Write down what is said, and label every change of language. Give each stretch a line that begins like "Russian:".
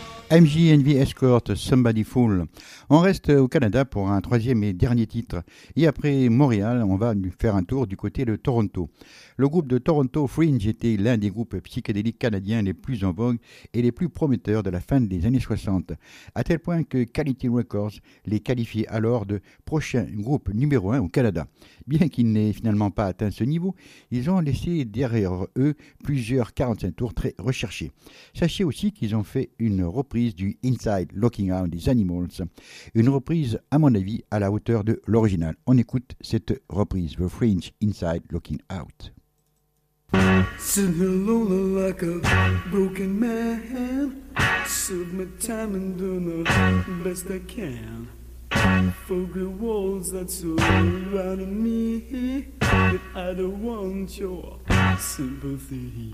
English: MJ and the Escorts, Somebody Fool.
French: On reste au Canada pour un troisième et dernier titre. Et après Montréal, on va faire un tour du côté de Toronto. Le groupe de Toronto Fringe était l'un des groupes psychédéliques canadiens les plus en vogue et les plus prometteurs de la fin des années 60. À tel point que Quality Records les qualifiait alors de prochain groupe numéro 1 au Canada. Bien qu'ils n'aient finalement pas atteint ce niveau, ils ont laissé derrière eux plusieurs 45 tours très recherchés. Sachez aussi qu'ils ont fait une reprise du Inside Looking Out des Animals. Une reprise, à mon avis, à la hauteur de l'original. On écoute cette reprise, The Fringe Inside Looking Out.
English: Sitting alone like a broken man, serve my time and do the best I can. Fog the walls that surround me, but I don't want your sympathy.